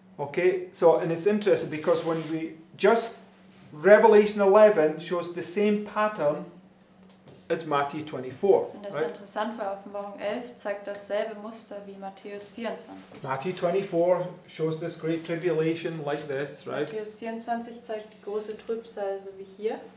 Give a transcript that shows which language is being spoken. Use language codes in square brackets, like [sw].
[en] Okay, so, and it's interesting because when we just Revelation 11 shows the same pattern as Matthew 24. [de] Und das ist [en] right? [de] Interessant, weil Offenbarung 11 zeigt dasselbe Muster wie Matthäus 24. [en] Matthew 24 shows this great tribulation like this, right? [de] Matthäus 24 zeigt die große Trübsal so wie hier.